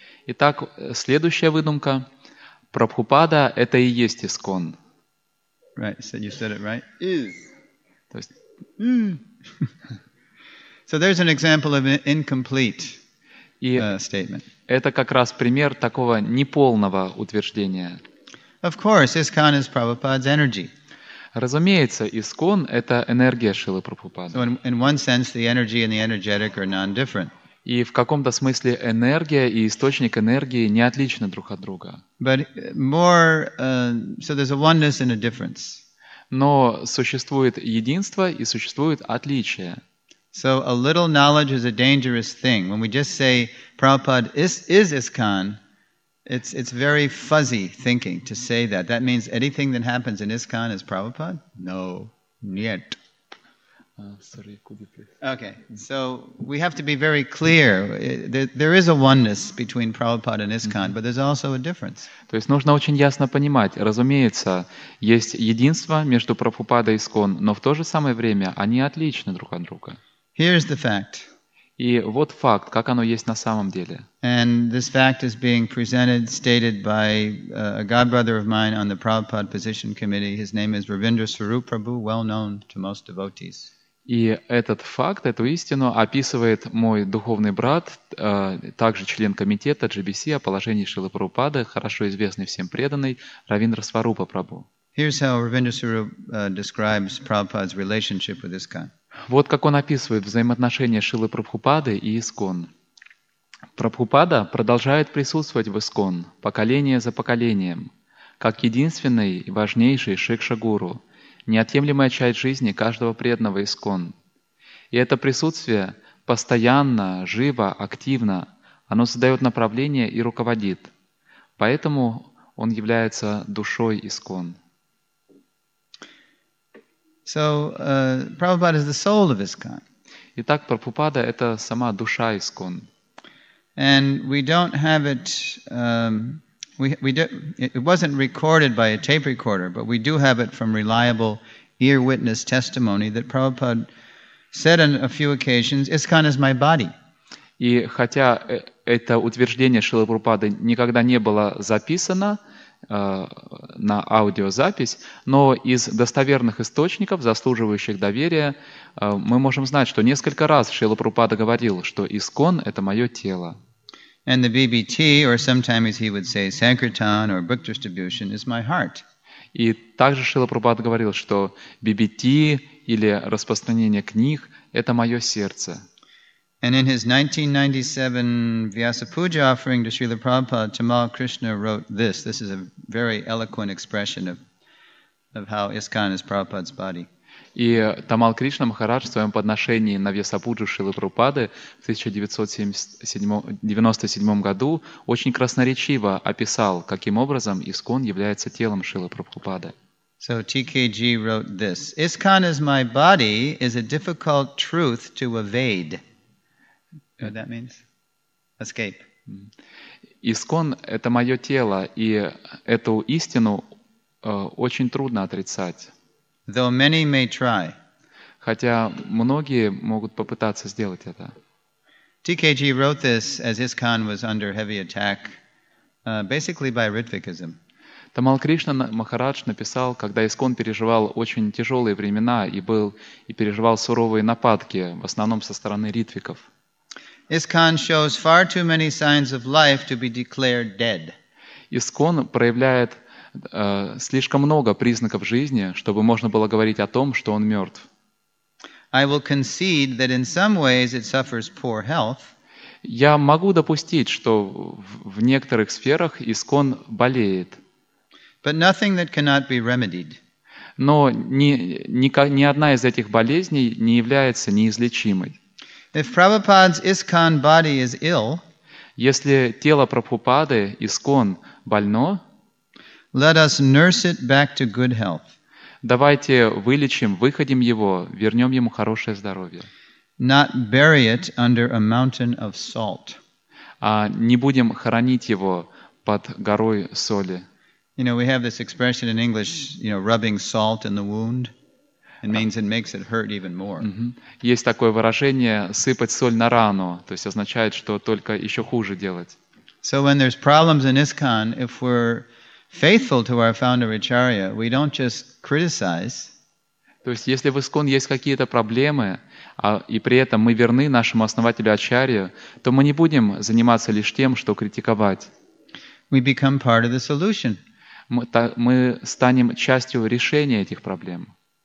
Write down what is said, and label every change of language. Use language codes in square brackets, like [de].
[ru] Итак, следующая выдумка. Прабхупада — это и есть Искон. [en] Right, so you said it right. [ru] Is. То есть... [en] So there's an example of an incomplete statement. [ru] Это как раз пример такого неполного утверждения. [en] Of course, Искон is Prabhupada's energy. [ru] Разумеется, Искон — это энергия Шрилы Прабхупады. [en] So in one sense, the energy and the energetic are non-different. [ru] И в каком-то смысле энергия и источник энергии не отличны друг от друга. [en] But more, so there's a oneness and a difference. [ru] Но существует единство и существует отличие. [en] So a little knowledge is a dangerous thing. When we just say Prabhupada is ISKCON, it's very fuzzy thinking to say that. That means anything that happens in ISKCON is Prabhupada? No, нет. Sorry, could you please? Okay, so we have to be very clear. There is a oneness between Prabhupada and ISKCON, mm-hmm. but there's also a difference. [ru] То есть нужно очень ясно понимать. Разумеется, есть единство между Прабхупадой и ISKCON, но в то же самое время они отличны друг от друга. [en] Here's the fact. [ru] И вот факт, как оно есть на самом деле. [en] And this fact is being presented, stated by a god brother of mine on the Prabhupada Position Committee. His name is Ravindra Swarup Prabhu, well known to most devotees. [ru] И этот факт, эту истину описывает мой духовный брат, также член комитета GBC о положении Шрилы Прабхупады, хорошо известный всем преданный Равиндра Сварупа Прабу. [en] Here's how Ravindra Swarup describes Prabhupada's relationship with ISKCON. [ru] Вот как он описывает взаимоотношения Шрилы Прабхупады и ISKCON. Прабхупада продолжает присутствовать в ISKCON поколение за поколением, как единственный и важнейший шикша-гуру, неотъемлемая часть жизни каждого преданного ISKCON. И это присутствие постоянно, живо, активно, оно задает направление и руководит. Поэтому он является душой ISKCON. [en] So, Prabhupada is the soul of ISKCON. [ru] Итак, Прабхупада — это сама душа ISKCON. [en] And we don't have it... It wasn't recorded by a tape recorder, but we do have it from reliable ear witness testimony that Prabhupada said on a few occasions, "ISKCON is my body." [ru] И хотя это утверждение Шрилы Прабхупады никогда не было записано на аудиозапись, но из достоверных источников, заслуживающих доверия, мы можем знать, что несколько раз Шрила Прабхупада говорил, что ISKCON — это мое тело. [en] And the BBT, or sometimes he would say Sankirtan or book distribution, is my heart. [ru] И также Шрила Прабхупада говорил, что BBT или распространение книг — это мое сердце. [en] And in his 1997 Vyasa Puja offering to Srila Prabhupada, Tamal Krishna wrote this. This is a very eloquent expression of how ISKCON is Prabhupada's body. [ru] И Тамал Кришна Махарадж в своем подношении на Вьясапуджу Шрилы Прабхупады в 1997 году очень красноречиво описал, каким образом ISKCON является телом Шрилы Прабхупады. [en] So TKG wrote this. ISKCON is my body is a difficult truth to evade. You know what that means? Escape. [ru] ISKCON — это мое тело, и эту истину очень трудно отрицать. [en] Though many may try. [ru] Хотя многие могут попытаться сделать это. [en] TKG wrote this as ISKCON was under heavy attack, basically by Ritvikism. [ru] Тамал Кришна Махарадж написал, когда ISKCON переживал очень тяжелые времена и переживал суровые нападки, в основном со стороны ритвиков. [en] ISKCON shows far too many signs of life to be declared dead. [ru] ISKCON проявляет слишком много признаков жизни, чтобы можно было говорить о том, что он мертв. [en] I will concede that in some ways it suffers poor health. [ru] Я могу допустить, что в некоторых сферах ISKCON болеет. [en] But nothing that cannot be remedied. [ru] Но ни одна из этих болезней не является неизлечимой. [en] If Prabhupada's ISKCON body is ill, [ru] если тело Прабхупады ISKCON больно, [en] let us nurse it back to good health. [ru] Давайте вылечим, выходим его, вернем ему хорошее здоровье. [en] Not bury it under a mountain of salt. [ru] А не будем хоронить его под горой соли. [en] You know, we have this expression in English, you know, rubbing salt in the wound. It means it makes it hurt even more. Mm-hmm. [ru] Есть такое выражение «сыпать соль на рану», то есть означает, что только еще хуже делать. [en] So when there's problems in ISKCON, if we're faithful to our founder Acharya, we don't just criticize. [ru] То есть если в ISKCON есть какие-то проблемы, и при этом мы верны нашему основателю Ачарье, то мы не будем заниматься лишь тем, что критиковать. [en] We become part of the solution. [ru] Мы станем частью решения этих проблем.